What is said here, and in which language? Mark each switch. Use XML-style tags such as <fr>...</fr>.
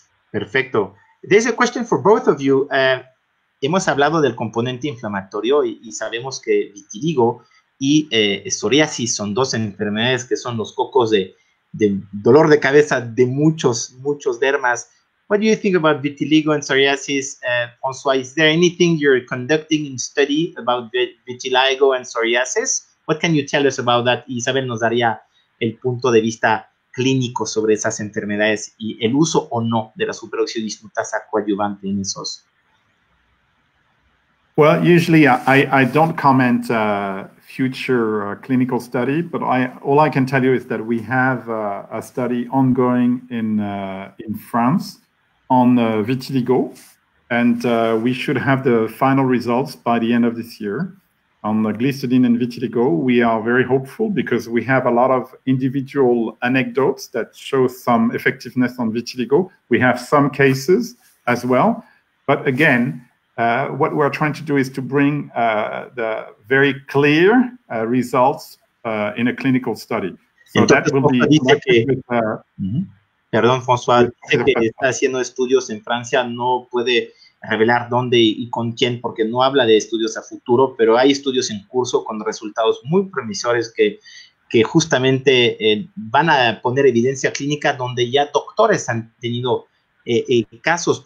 <en>Perfecto. There's a question for both of you.</en> <es>Hemos hablado del componente inflamatorio y sabemos que vitiligo y psoriasis son dos enfermedades que son los cocos de dolor de cabeza de muchos dermas.</es> <en>What do you think about vitiligo and psoriasis, François? Is there anything you're conducting in study about vitiligo and psoriasis? What can you tell us about that?</en> <es>Isabel nos daría el punto de vista clínico sobre esas enfermedades y el uso o no de la superóxido dismutasa coadyuvante en esos.</es> <en>Well, usually I don't comment future clinical study, but all I can tell you is that we have a study ongoing in France on vitiligo, and we should have the final results by the end of this year on the glycidine and vitiligo. We are very hopeful because we have a lot of individual anecdotes that show some effectiveness on vitiligo. We have some cases as well, but again, what we're trying to do is to bring the very clear results in a clinical study. So that will be...</en> <es>Perdón, François, dice que está haciendo estudios en Francia, no puede revelar dónde y con quién, porque no habla de estudios a futuro, pero hay estudios en curso con resultados muy promisores que justamente van a poner evidencia clínica donde ya doctores han tenido casos.</es>